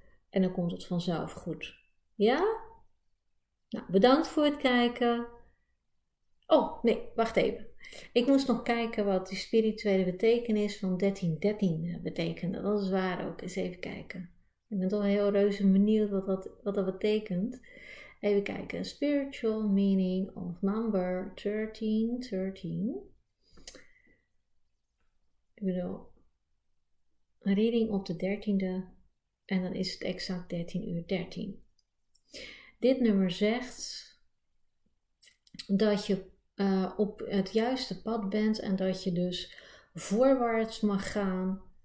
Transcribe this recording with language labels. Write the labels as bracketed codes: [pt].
[nl] En dan komt het vanzelf goed. Ja? Nou, bedankt voor het kijken. Oh, nee. Wacht even. Ik moest nog kijken wat die spirituele betekenis van 1313 betekende. Dat is waar ook. Eens even kijken. Ik ben toch heel reuze benieuwd wat dat betekent. Even kijken. [en] Spiritual meaning of number 1313. [nl] Ik bedoel, een reading op de 13e. En dan is het exact 13:13. Dit nummer zegt dat je op het juiste pad bent. En dat je dus voorwaarts mag gaan.